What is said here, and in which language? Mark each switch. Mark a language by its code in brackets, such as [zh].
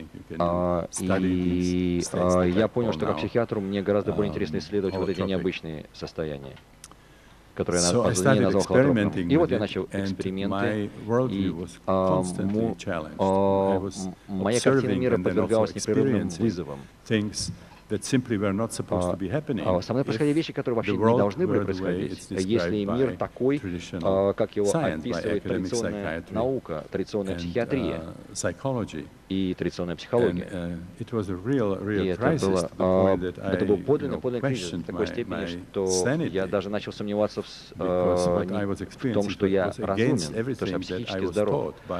[ru] И я понял, что как психиатру мне гораздо более интересно исследовать вот эти необычные состояния, которые я позднее назвал холотропным. И вот я начал эксперименты, и моя картина мира подвергалась непрерывным вызовам. [en] that simply were not supposed to be happening. [ru] Со мной происходили вещи, которые вообще не должны были происходить, если мир такой, как его описывает традиционная наука, традиционная психиатрия и традиционная психология. Это был подлинный кризис, в такой степени, что я даже начал сомневаться в том, что я разумен, то есть я психически здоров.